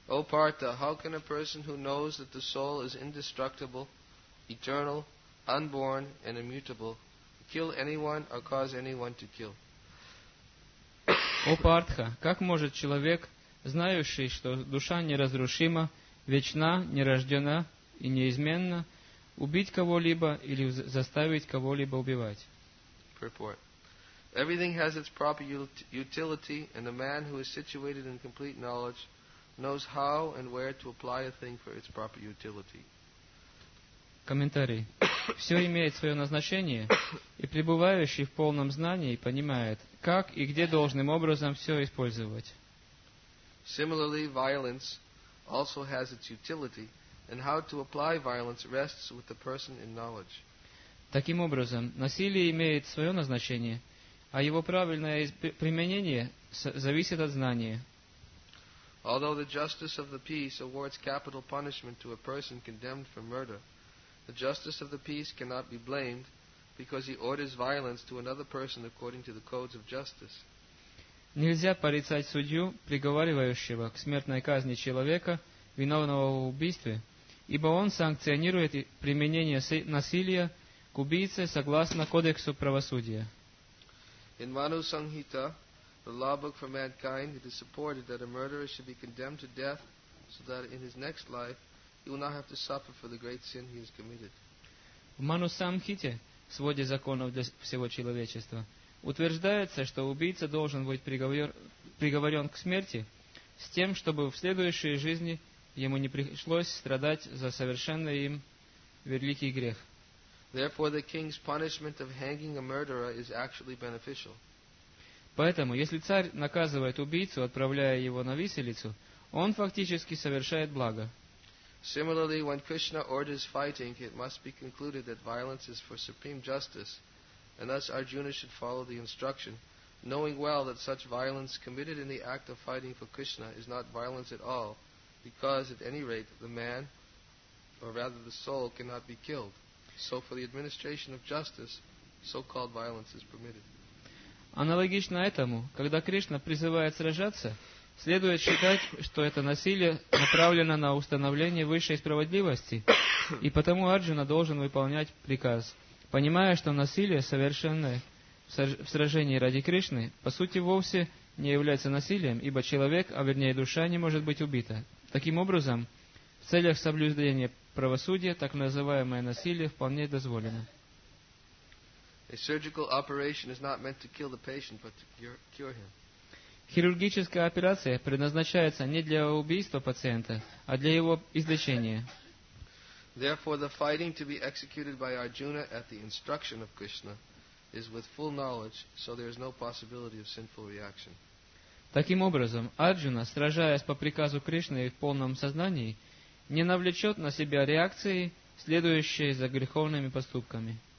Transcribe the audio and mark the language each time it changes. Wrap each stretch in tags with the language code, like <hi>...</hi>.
<en>O Partha, how can a person who knows that the soul is indestructible, eternal, unborn, and immutable, kill anyone or cause anyone to kill?</en> <ru>О Партха, как может человек, знающий, что душа неразрушима, вечна, нерождена и неизменна, убить кого-либо или заставить кого-либо убивать?</ru> <en>Purport. Everything has its proper utility, and a man who is situated in complete knowledge knows how and where to apply a thing for its proper utility.</en> <ru>Комментарий. Все имеет свое назначение, и пребывающий в полном знании понимает, как и где должным образом все использовать.</ru> <en>Similarly, violence also has its utility, and how to apply violence rests with the person in knowledge.</en> <ru>Таким образом, насилие имеет свое назначение, а его правильное применение зависит от знания.</ru> <en>Although the justice of the peace awards capital punishment to a person condemned for murder, the justice of the peace cannot be blamed because he orders violence to another person according to the codes of justice.</en> <ru>Нельзя порицать судью, приговаривающего к смертной казни человека, виновного в убийстве, ибо он санкционирует применение насилия к убийце согласно кодексу правосудия.</ru> <en>In Manu Sanhita, the law book for mankind, it is supported that a murderer should be condemned to death so that in his next life he will not have to suffer for the great sin he has committed.</en> <ru>В Ману Самхите, своде законов для всего человечества, утверждается, что убийца должен быть приговорен к смерти с тем, чтобы в следующей жизни ему не пришлось страдать за совершенный им великий грех.</ru> <en>Therefore, the king's punishment of hanging a murderer is actually beneficial.</en> <ru>Поэтому, если царь наказывает убийцу, отправляя его на виселицу, он фактически совершает благо.</ru> <en>Similarly, when Krishna orders fighting, it must be concluded that violence is for supreme justice, and thus Arjuna should follow the instruction, knowing well that such violence committed in the act of fighting for Krishna is not violence at all, because at any rate the man, or rather the soul, cannot be killed. So for the administration of justice, so-called violence is permitted.</en> <ru>Аналогично этому, когда Кришна призывает сражаться, следует считать, что это насилие направлено на установление высшей справедливости, и потому Арджуна должен выполнять приказ, понимая, что насилие, совершенное в сражении ради Кришны, по сути вовсе не является насилием, ибо человек, а вернее душа, не может быть убита. Таким образом, в целях соблюдения правосудия так называемое насилие вполне дозволено.</ru> <en>A surgical operation is not meant to kill the patient, but to cure him.</en> <ru>Хирургическая операция предназначается не для убийства пациента, а для его излечения.</ru> <en>Therefore, the fighting to be executed by Arjuna at the instruction of Krishna is with full knowledge, so there is no possibility of sinful reaction.</en> <ru>Таким образом, Арджуна, сражаясь по приказу Кришны в полном сознании, не навлечет на себя реакции, следующие за греховными поступками.</ru>